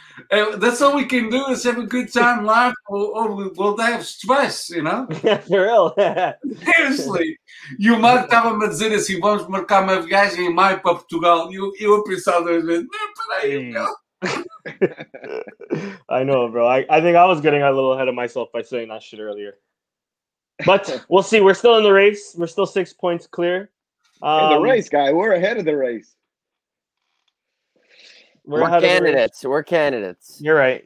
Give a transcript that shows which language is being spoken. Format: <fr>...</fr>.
<en>That's all we can do is have a good time, laugh, or we'll have stress, you know? Yeah, for real. Seriously.</en> <pt>E o Marco estava-me a dizer assim, vamos marcar uma viagem em maio para Portugal. E eu a pensar duas vezes, não, peraí, meu.</pt> <en>I know, bro. I think I was getting a little ahead of myself by saying that shit earlier. But we'll see. We're still in the race. We're still 6 points clear. In the race, guy. We're ahead of the race. We're candidates. You're right.</en>